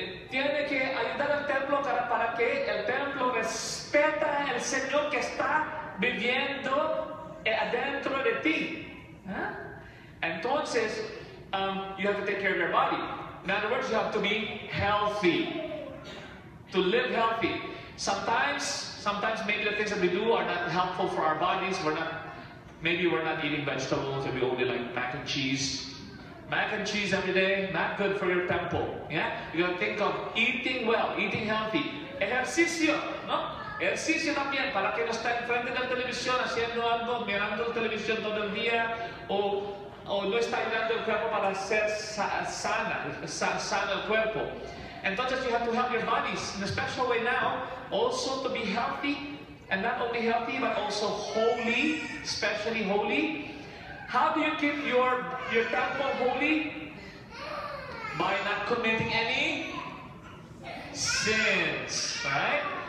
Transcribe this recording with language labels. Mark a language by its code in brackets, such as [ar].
[es] Tiene que ayudar al templo para que el templo respeta el Señor que está viviendo adentro de ti. [en] Entonces, you have to take care of your body. In other words, you have to be healthy, to live healthy. Sometimes maybe the things that we do are not helpful for our bodies. Maybe we're not eating vegetables, and we only like mac and cheese. Mac and cheese every day, not good for your temple. Yeah? You gotta think of eating well, eating healthy. [es] Ejercicio, ¿no? Ejercicio también, para que no esté enfrente de la televisión, haciendo algo, mirando la televisión todo el día, o o no está ayudando el cuerpo para ser sana, sano el cuerpo. [en] Entonces, you have to help your bodies in a special way now, also to be healthy, and not only healthy, but also holy, especially holy. How do you keep your temple holy? By not committing any sins, right?